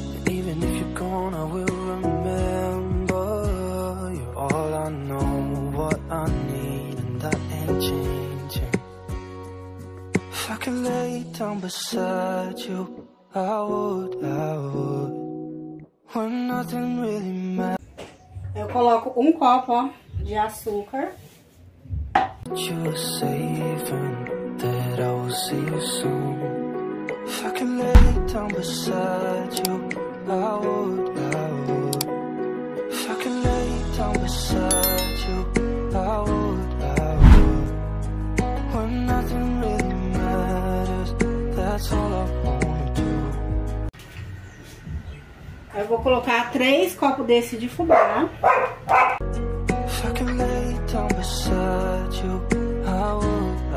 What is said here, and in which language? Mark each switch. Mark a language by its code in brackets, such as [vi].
[en] Even if you're gone, I will remember. You're all I know, what I need, and that ain't changing. If I could lay down beside you, I would, I would. When nothing really matters. [pt] Eu coloco um copo, ó, de açúcar. [en] You're safe and that I will see you soon. If I could lay down beside you, I would, I would. If I could lay down beside you, I would, I would. When nothing really matters, that's all I want to do. [pt] Eu vou colocar 3 copos desse de fubá. [en] If I could lay down beside you, I would.